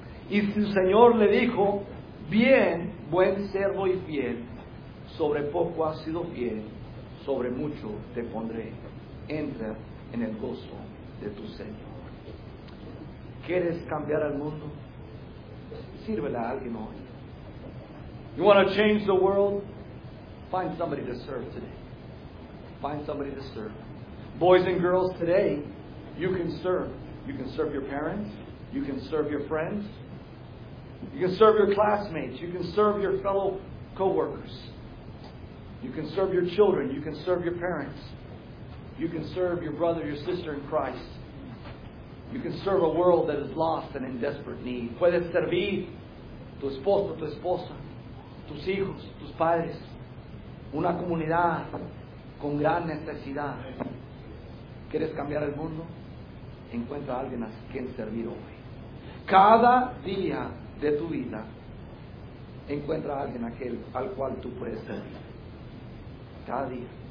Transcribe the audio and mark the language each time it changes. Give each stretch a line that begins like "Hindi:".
Spanish: Y su señor le dijo, bien, buen siervo y fiel, sobre poco has sido fiel, sobre mucho te pondré. Entra en el gozo de tu señor. ¿Quieres cambiar al mundo? Sírvele a alguien hoy.
English: You want to change the world? Find somebody to serve today. Find somebody to serve. Boys and girls, today, you can serve. You can serve your parents. You can serve your friends. You can serve your classmates. You can serve your fellow co-workers. You can serve your children. You can serve your parents. You can serve your brother, your sister in Christ. You can serve a world that is lost and in desperate need.
Spanish: Puedes servir tu esposo, tu esposa, tus hijos, tus padres, una comunidad con gran necesidad. ¿Quieres cambiar el mundo? Encuentra a alguien a quien servir hoy. Cada día de tu vida, encuentra a alguien aquel al cual tú puedes servir. Cada día.